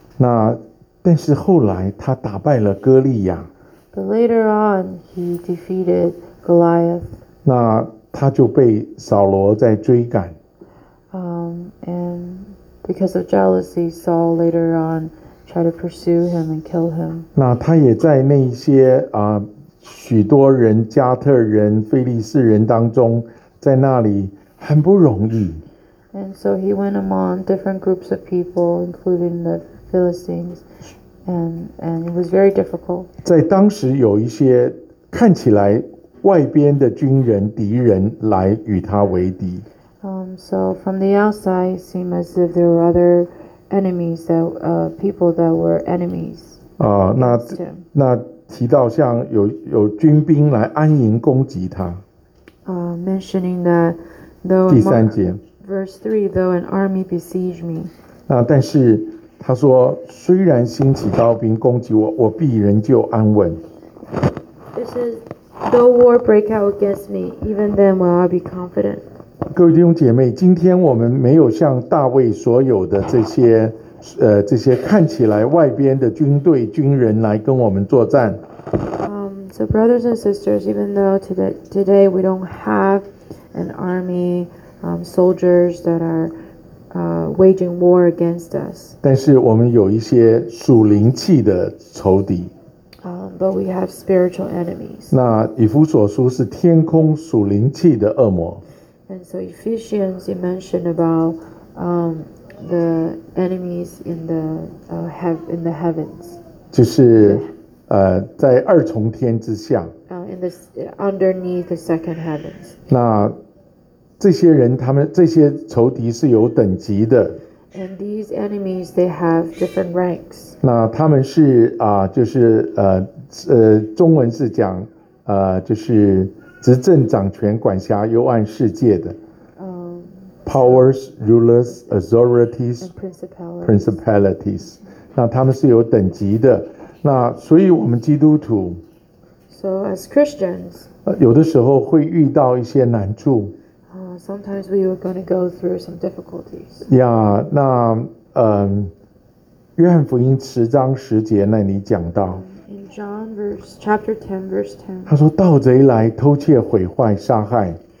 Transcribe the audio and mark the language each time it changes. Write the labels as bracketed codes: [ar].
[zh] 那但是后来他打败了哥利亚。 [en] But later on, he defeated Goliath. [zh] 那他就被扫罗在追赶。 [en] And because of jealousy, Saul later on tried to pursue him and kill him. [zh] 那他也在那些许多人加特人菲利士人当中在那里很不容易。 [en] And so he went among different groups of people, including the Philistines, and it was very difficult. [zh] 在当时有一些看起来外边的军人、敌人来与他为敌。 [en] So from the outside, it seemed as if there were other enemies, people that were enemies. [zh] 那提到像有军兵来安营攻击他。 [en] Mentioning that though. [zh] 第三节。 [en] Verse 3, though an army besiege me. [zh] 那但是他说，虽然兴起刀兵攻击我，我必仍旧安稳。 [en] This is, though war break out against me, even then will I be confident. [zh] 各位弟兄姐妹，今天我们没有像大卫所有的这些看起来外边的军队军人来跟我们作战。 [en] So brothers and sisters, even though today we don't have an army. Soldiers that are waging war against us. [zh] 但是我们有一些属灵气的仇敌。 [en] But we have spiritual enemies. [zh] 那以弗所书是天空属灵气的恶魔。 [en] And so Ephesians, you mentioned about the enemies in the heavens. [zh] 就是在二重天之下。 [en] Underneath the second heavens. [zh] 那这些人他们这些仇敌是有等级的 [en] and these enemies they have different ranks [zh] 那他们是就是中文是讲就是执政掌权管辖幽暗世界的 [en] powers, rulers, authorities, principalities. [zh] 那他们是有等级的。那所以我们基督徒 [en] So as Christians, [zh] 有的时候会遇到一些难处。 [en] Sometimes we are going to go through some difficulties. [zh] Yeah, 那约翰福音十章十节那里讲到。 [en] In John verse, chapter 10, verse 10. [zh] 他说盗贼来偷窃毁坏杀害。